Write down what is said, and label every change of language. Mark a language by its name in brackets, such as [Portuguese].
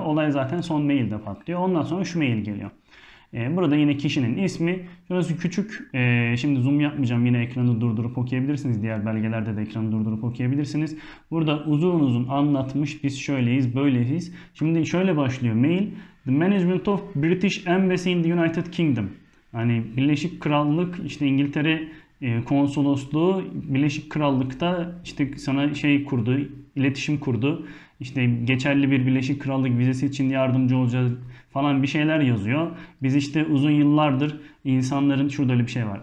[Turkish] Olay zaten son mailde patlıyor. Ondan sonra şu mail geliyor. Burada yine kişinin ismi. Şurası küçük. Şimdi zoom yapmayacağım. Yine ekranı durdurup okuyabilirsiniz. Diğer belgelerde de ekranı durdurup okuyabilirsiniz. Burada uzun uzun anlatmış. Biz şöyleyiz, böyleyiz. Şimdi şöyle başlıyor mail. [English] The management of British Embassy in the United Kingdom. [Turkish] Hani Birleşik Krallık, işte İngiltere konsolosluğu Birleşik Krallık'ta işte sana şey kurdu, iletişim kurdu. İşte geçerli bir Birleşik Krallık vizesi için yardımcı olacağız falan bir şeyler yazıyor. Biz işte uzun yıllardır insanların şurada öyle bir şey var.